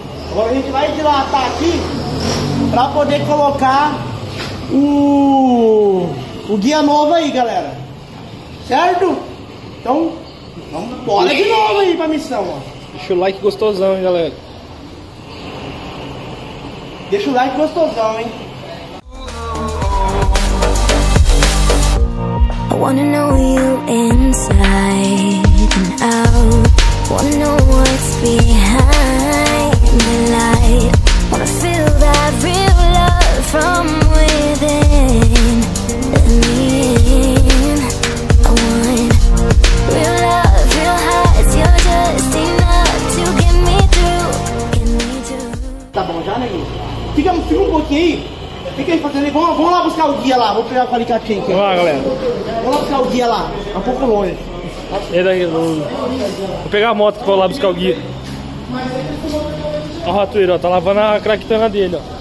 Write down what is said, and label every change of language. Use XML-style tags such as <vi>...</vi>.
<pt>Agora a gente vai dilatar aqui pra poder colocar o guia novo aí, galera. Certo? Então, vamos embora de novo aí pra missão, ó. Deixa o like gostosão, hein, galera. Deixa o like gostosão, hein.</pt> <en>I wanna know you inside and out. Wanna know what's behind the light. Wanna feel that real love from within. Let me in. I want real love, real hearts. You're just enough to get me through. Get me through.</en> <pt>Tá bom já, neguinho? Fica no filme um pouquinho aí. O que a gente fazendo? Vamos lá buscar o guia lá, vou pegar o alicatinho aqui. Vamos lá, galera. Vamos lá buscar o guia lá, é um pouco longe. E daí, longe. Vou pegar a moto que vou lá buscar o guia. Ó o ratoeiro, ó, tá lavando a craquitana dele, ó.</pt>